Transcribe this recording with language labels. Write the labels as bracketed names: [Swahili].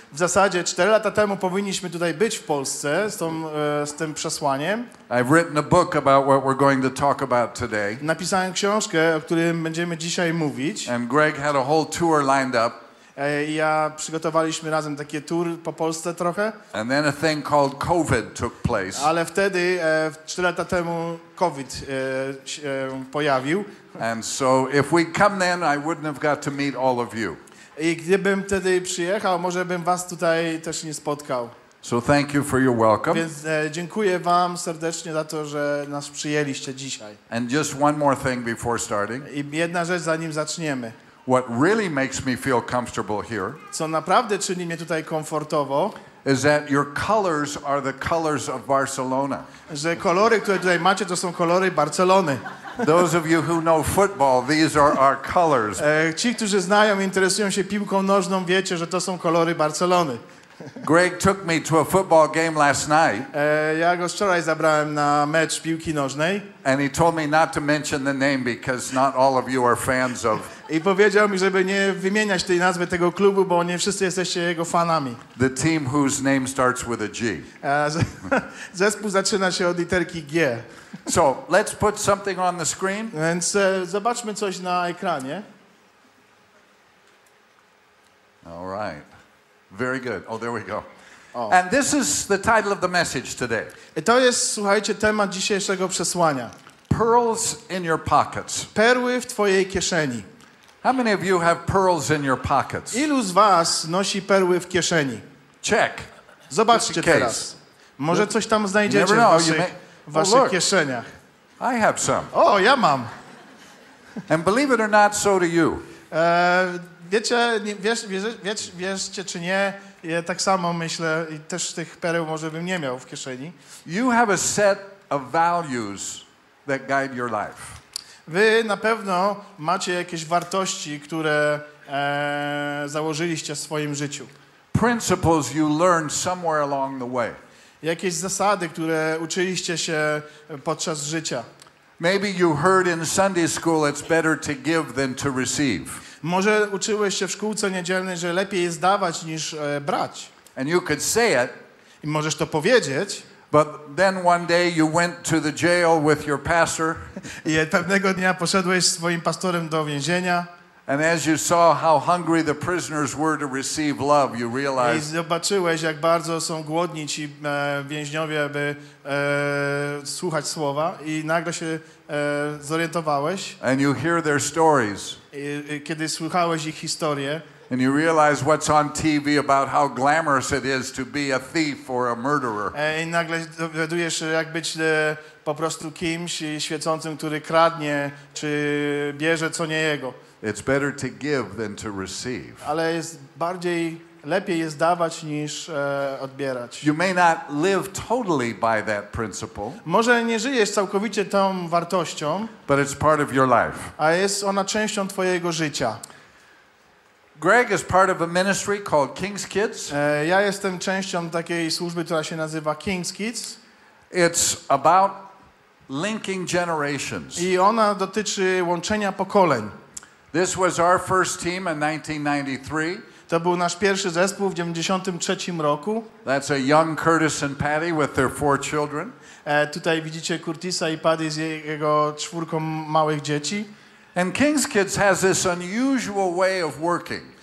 [Polish] W zasadzie 4 lata temu powinniśmy tutaj być w Polsce z tym przesłaniem. [English] I've written a book about what we're going to talk about today. [Polish] Napisałem książkę, o której będziemy dzisiaj mówić. [English] And Greg had a whole tour lined up. [Polish] I ja przygotowaliśmy razem takie tour po Polsce trochę. [English] And then a thing called COVID took place. [Polish] Ale wtedy, 4 lata temu, COVID się pojawił. [English] And so if we'd come then, I wouldn't have got to meet all of you. [Polish] I gdybym wtedy przyjechał, może bym was tutaj też nie spotkał. [English] So thank you for your welcome. [Polish] Więc dziękuję wam serdecznie za to, że nas przyjęliście dzisiaj. [English] And just one more thing before starting. [Polish] I jedna rzecz zanim zaczniemy. [English] What really makes me feel comfortable here, [Polish] co naprawdę czyni mnie tutaj komfortowo, [English] is that your colors are the colors of Barcelona. [Polish] Że kolory, które tutaj macie, to są kolory Barcelony. [English] Those of you who know football, these are our colors. [Polish] Ci, którzy znają i interesują się piłką nożną, wiecie, że to są kolory Barcelony. [English] Greg took me to a football game last night. [Polish] Ja go wczoraj zabrałem na mecz piłki nożnej. [English] And he told me not to mention the name because not all of you are fans of. [Polish] I powiedział mi, żeby nie wymieniać tej nazwy tego klubu, bo nie wszyscy jesteście jego fanami. [English] The team whose name starts with a G. [Polish] Zespół zaczyna się od literki G. [English] So let's put something on the screen. [Polish] Więc zobaczmy coś na ekranie. [English] All right. Very good. Oh, there we go. Oh. And this is the title of the message today. [Polish] I to jest, słuchajcie, temat dzisiejszego przesłania. [English] Pearls in your pockets. [Polish] Perły w twojej kieszeni. [English] How many of you have pearls in your pockets? [Polish] Ilu z was nosi perły w kieszeni? [English] Check. [Polish] Zobaczcie teraz. Może coś tam znajdziecie w waszych kieszeniach. [English] I have some. [Polish] O, ja mam. [English] And believe it or not, so do you. [Polish] Wiecie czy nie, ja tak samo myślę i też tych pereł może bym nie miał w kieszeni. [English] You have a set of values that guide your life. [Polish] Wy na pewno macie jakieś wartości, które założyliście w swoim życiu. [English] Principles you learned somewhere along the way. [Polish] Jakieś zasady, które uczyliście się podczas życia. [English] Maybe you heard in Sunday school it's better to give than to receive. [Polish] Może uczyłeś się w szkółce niedzielnej, że lepiej jest dawać niż brać. [English] And you could say it. [Polish] I możesz to powiedzieć. [English] But then one day you went to the jail with your pastor. [Polish] I pewnego dnia poszedłeś z swoim pastorem do więzienia. [English] And as you saw how hungry the prisoners were to receive love, you realized. [Polish] I zobaczyłeś, jak bardzo są głodni ci więźniowie, aby słuchać słowa, i nagle się zorientowałeś. [English] And you hear their stories. [Polish] Kiedy słuchałeś ich historię. [English] And you realize what's on TV about how glamorous it is to be a thief or a murderer. [Polish] I nagle dowiadujesz się, jak być po prostu kimś świecącym, który kradnie czy bierze co nie jego. [English] It's better to give than to receive. [Polish] Ale jest bardziej lepiej jest dawać niż odbierać. [English] You may not live totally by that principle. [Polish] Może nie żyjesz całkowicie tą wartością. [English] But it's part of your life. [Polish] A jest ona częścią twojego życia. [English] Greg is part of a ministry called King's Kids. [Polish] Ja jestem częścią takiej służby, która się nazywa King's Kids. [English] It's about linking generations. [Polish] I ona dotyczy łączenia pokoleń. [English] This was our first team in 1993. [Polish] To był nasz pierwszy zespół w 93 roku. [English] That's a young Curtis and Patty with their four children. [Polish] Tutaj widzicie Curtisa i Patty z jego czwórką małych dzieci. [English] And King's Kids has this unusual way of working.